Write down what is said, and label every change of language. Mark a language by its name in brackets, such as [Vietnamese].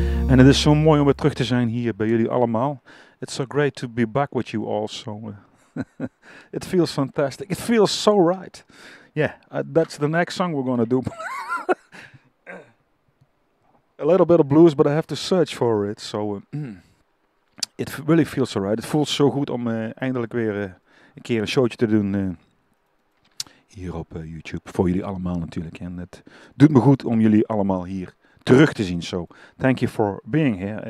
[English] and it is so [Dutch] mooi om weer terug te zijn hier bij jullie allemaal. [English] It's so great to be back with you all. So it feels fantastic. It feels so right. Yeah, that's the next song we're going to do. A little bit of blues, but I have to search for it. So it really feels so right. [Dutch] Het voelt zo goed om eindelijk weer een keer een showtje te doen hier op YouTube. Voor jullie allemaal natuurlijk. En het doet me goed om jullie allemaal hier terug te zien. [English] So, thank you for being here.